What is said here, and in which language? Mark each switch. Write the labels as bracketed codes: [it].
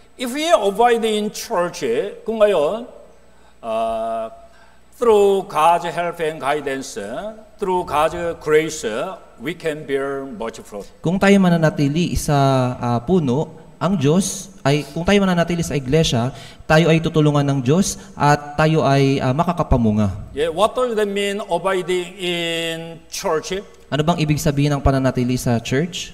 [en] If we abide in church, [tl] kung gayon, [en] through God's help and guidance, through God's grace, we can bear much fruit. [tl] Kung tayo mananatili sa puno, ang Diyos ay, kung tayo mananatili sa iglesia, tayo ay tutulungan ng Diyos at tayo ay makakapamunga. [en] Yeah, what does that mean, abiding in church? [tl] Ano bang ibig sabihin ng pananatili sa church?